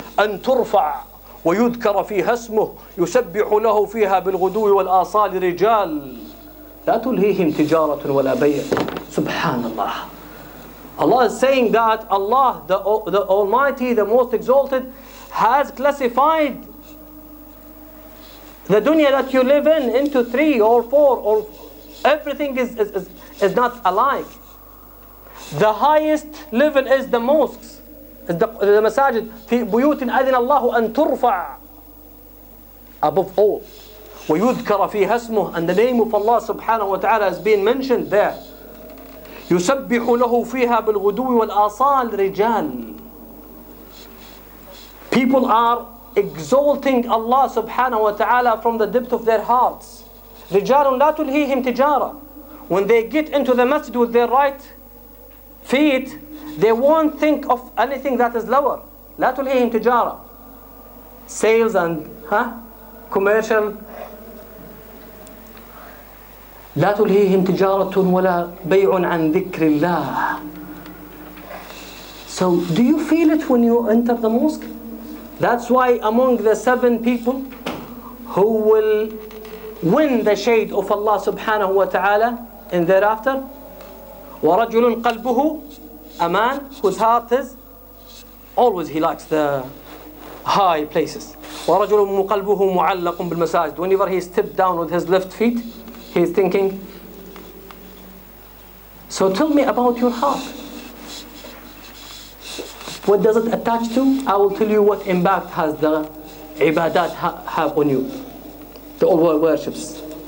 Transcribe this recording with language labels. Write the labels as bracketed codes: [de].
[ar] أن ترفع ويذكر فيها اسمه يسبح له فيها بالغدو والآصال رجال لا تلهيهم تجارة ولا بيع. سبحان الله. [en] Allah is saying that Allah, the Almighty, the Most Exalted, has classified the dunya that you live in into three or four, or everything is not alike. The highest level is the mosques, is the masajid. [ar] في بيوت أذن الله أن ترفع. [en] Above all. [ar] ويذكر فيها اسمه. [en] And the name of Allah subhanahu wa ta'ala has been mentioned there. [ar] يسبح له فيها بالغدو والآصال رجال. [en] People are exalting Allah subhanahu wa ta'ala from the depth of their hearts. [ar] رجال لا تلهيهم تجارة. [en] When they get into the masjid with their right feet, they won't think of anything that is lower. [ar] لا تلهيهم تجارة. [en] Sales and commercial. [ar] لا تلهيهم تجارة ولا بيع عن ذكر الله. [en] So do you feel it when you enter the mosque? That's why among the seven people who will win the shade of Allah subhanahu wa ta'ala in thereafter, [ar] ورجل قلبه, [en] a man whose heart is always, he likes the high places. [ar] ورجل قلبه معلق بالمساجد. [en] Whenever he stepped down with his left feet, he's thinking, so tell me about your heart. What does it attach to? I will tell you what impact has the ibadat have on you, the all world worships.